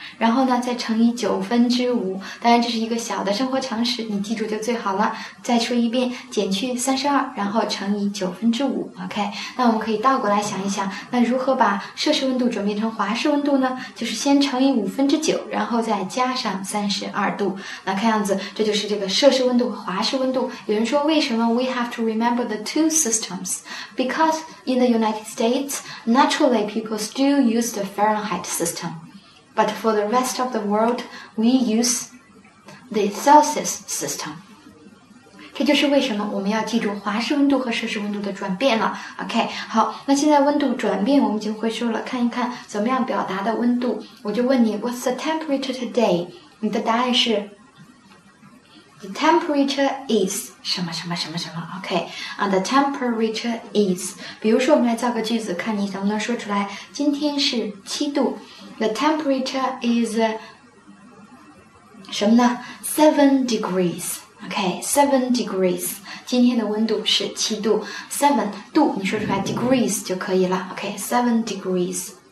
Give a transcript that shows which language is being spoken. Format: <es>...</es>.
<zh>然后呢再乘以5%当然这是一个小的生活常识你记住就最好了再说一遍减去32然后乘以5% OK 那我们可以倒过来想一想那如何把摄氏温度转变成华氏温度呢就是先乘以9%然后再加上32度那看样子这就是这个摄氏温度和华氏温度有人说为什么</zh> <en>we have to remember the two systems because in the United States, naturally people still use the Fahrenheit system. But for the rest of the world, we use the Celsius system.</en> <zh>这就是为什么我们要记住华氏温度和摄氏温度的转变了。 OK, 好，那现在温度转变我们已经会说了，看一看怎么样表达的温度。我就问你</zh> <en>,What's the temperature today?</en> <zh>你的答案是</zh> <en>,The temperature is...</en> <zh>什么什么什么什么 ,OK,、</zh> <en>the temperature is,</en> <zh>比如说我们来造个句子看你能不能说出来今天是7度 ,the temperature is, 什么呢 ,7 degrees, OK, 7 degrees, 今天的温度是7度 ,7 度你说出来 degrees 就可以了 ,OK, 7 degrees,</zh>